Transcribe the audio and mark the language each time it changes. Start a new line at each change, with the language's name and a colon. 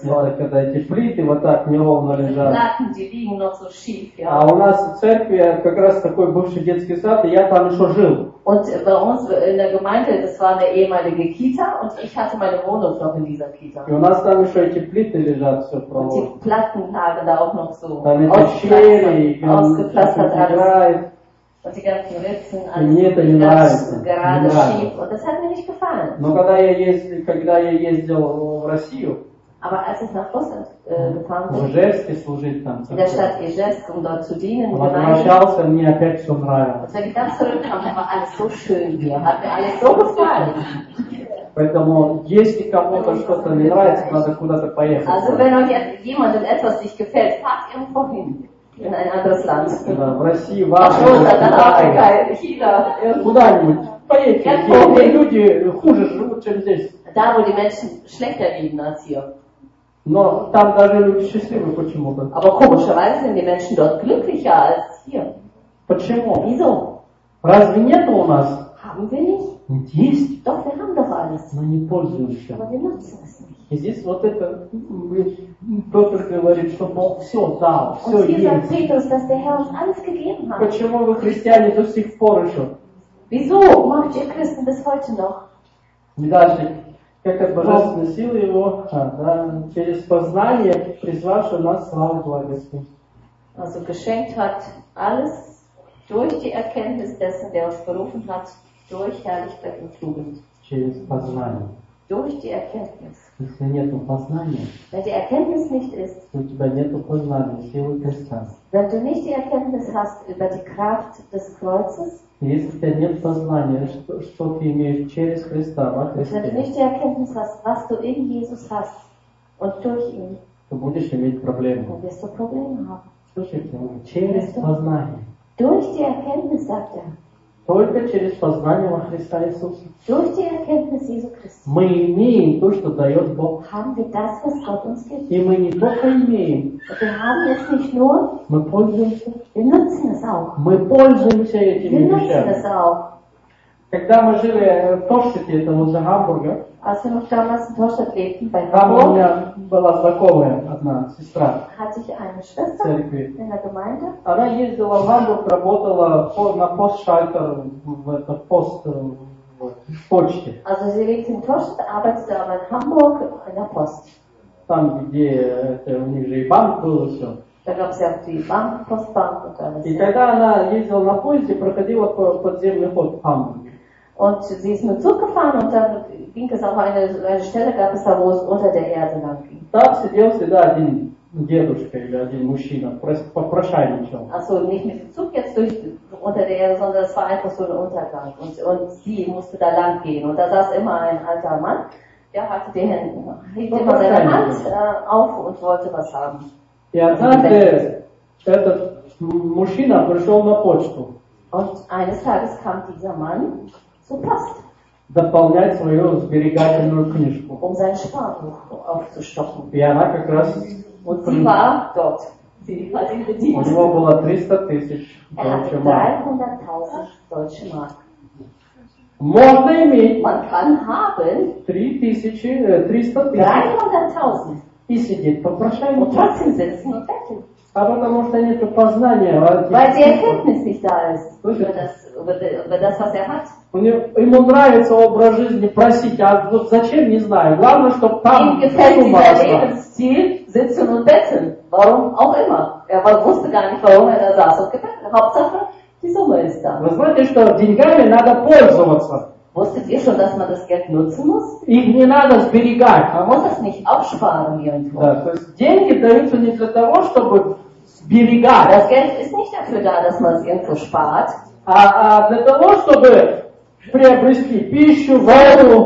German: voll.
Russian: Это когда эти плиты вот так неровно лежат.
German: Platten, die liegen noch so schief, ja.
Russian: А у нас в церкви как раз такой бывший детский сад, и я там еще жил.
German: Und bei uns in der Gemeinde, das war eine ehemalige Kita, und ich hatte meine Wohnung noch in dieser Kita.
Russian: И у нас там еще эти плиты лежат, все про.
German: Und die Platten lagen da auch noch so.
Russian: Там эти щели,
German: ausgepflastert alles. Und die ganzen Ritzen, alles gerade schief. Und das hat mir nicht gefallen. Aber als ich nach Russland gefahren bin, in der Stadt Ижевск, um dort zu dienen, und wenn ich da zurückkam, war alles so schön hier, hat mir alles so gefallen.
Russian: Поэтому, если кому-то что-то не нравится, надо куда-то поехать.
German: Also wenn euch jemand etwas nicht gefällt, fahrt irgendwo hin. In ein anderes Land.
Russian: Да, в России, в Африке, China, куда-нибудь. Поедьте. Где люди хуже живут, чем здесь.
German: Da, wo die Menschen schlechter leben als hier.
Russian: Но там даже люди счастливы почему-то.
German: Aber komischerweise sind die Menschen dort glücklicher als hier.
Russian: Почему?
German: Wieso?
Russian: Разве нету у нас?
German: Haben wir nicht?
Russian: Есть.
German: Doch, wir haben doch alles.
Russian: Но не пользуемся.
German: Aber wir nutzen es nicht.
Russian: И здесь вот это, Петр говорит, что Бог все дал, все есть. Почему вы христиане до сих пор еще?
German: Wieso macht ihr Christen bis heute noch?
Russian: И дальше, как от Божественной силы его, да, через познание, призвавши нас славу благости.
German: Also geschenkt hat alles durch die Erkenntnis dessen, der uns berufen hat, durch Herrlichkeit und Tugend.
Russian: Через познание.
German: Durch die Erkenntnis.
Russian: Если нету познания,
German: wenn die Erkenntnis nicht ist,
Russian: у тебя нету познания, силы креста.
German: Wenn du nicht die Erkenntnis hast über die Kraft des Kreuzes,
Russian: если у тебя нет познания, что ты имеешь через Христа, во Христе,
German: wenn du nicht die Erkenntnis hast, was du in Jesus hast und durch ihn,
Russian: то будешь иметь проблемы.
German: Dann wirst du Probleme haben.
Russian: Слушайте, через познание.
German: Durch die Erkenntnis, sagt er.
Russian: Только через познание во Христа Иисуса.
German: Durch die Erkenntnis Jesu Christi.
Russian: Мы имеем то, что дает Бог.
German: Haben wir das, was Gott uns gibt?
Russian: И мы не только имеем.
German: Wir haben es nicht nur.
Russian: Мы пользуемся.
German: Wir nutzen es auch.
Russian: Мы пользуемся этими вещами.
German: Wir nutzen es auch.
Russian: Когда мы жили в Торштете, это возле Гамбурга.
German: Als wir noch damals in Torstadt lebten, bei Hamburg.
Russian: Там у меня была знакомая одна сестра.
German: Hatte ich eine Schwester in der Gemeinde.
Russian: Она ездила в Гамбург, работала на постшальтер в этом пост в почте.
German: Also sie lebt in Torstadt, arbeitete aber in Hamburg in der Post.
Russian: Там где это у них же и банк был и все.
German: Da gab es ja auch die Bank, Postbank und alles.
Russian: И тогда она ездила на поезде, проходила подземный ход в Гамбург.
German: Und sie ist mit Zug gefahren und dann ging es auf eine Stelle, gab es da, wo es unter der Erde lang ging. Da sitzt da ein
Russian: Дедушка или один мужчина, попрошайничал.
German: Also nicht mit dem Zug jetzt durch unter der Erde, sondern es war einfach so ein Untergang. Und sie musste da lang gehen. Und da saß immer ein alter Mann, der hatte den Händen, hielt immer seine Hand auf und wollte was haben. Ja, dann
Russian: этот мужчина пришел на почту.
German: Und eines Tages kam dieser Mann.
Russian: Дополнять свою сберегательную книжку.
German: Um sein Sparbuch aufzustocken.
Russian: И она как раз вот,
German: sie war dort.
Russian: У него было 300 000
German: deutsche Mark. 300 000 deutsche Mark.
Russian: Можно иметь.
German: Man kann haben. 300 000.
Russian: И сидит попрошайник.
German: Und trotzdem sitzen und betteln.
Russian: А потому что нету познания.
German: Weil die Erkenntnis nicht da ist. Über das, was hat.
Russian: Ему нравится образ жизни просить, а вот зачем, не знаю. Главное, чтобы там
German: Lebensstil, warum auch immer. Er wusste gar nicht, warum er da saß und gebeten. Hauptsache, die Summe ist da.
Russian: Вы знаете, что деньгами надо пользоваться.
German: Wusstet ihr schon, dass man das Geld nutzen muss?
Russian: Их не надо сберегать.
German: Man muss es nicht aufsparen irgendwo.
Russian: Да, то есть деньги даются не для того, чтобы сберегать.
German: Das Geld ist nicht dafür da, dass man es irgendwo spart.
Russian: А для того, чтобы приобрести пищу, воду,